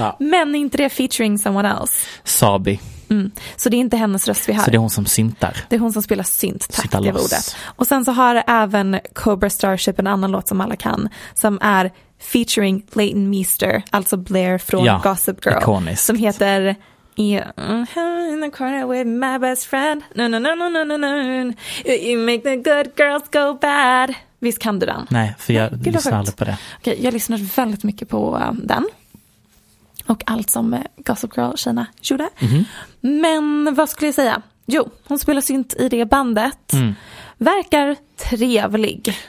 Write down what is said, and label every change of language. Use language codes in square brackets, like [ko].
[sv] Men inte det featuring [en] someone else. [sv] Sabi. Så det är inte hennes röst vi har. Så det är hon som syntar. Det är hon som spelar synt, tack det ordet. Och sen så har även Cobra Starship en annan låt som alla kan, som är featuring Leighton Meester, alltså Blair från Gossip Girl. Ikoniskt. Som heter in the corner with my best friend. [en] No, no, no, no, no, no, no. You make the good girls go bad. [sv] Visst kan du den? Nej, för jag lyssnar aldrig på det. Okej, jag lyssnar väldigt mycket på den. Och allt som Gossip Girl-tjejerna gjorde. Men vad skulle jag säga? Jo, hon spelar synt i det bandet. Verkar trevlig.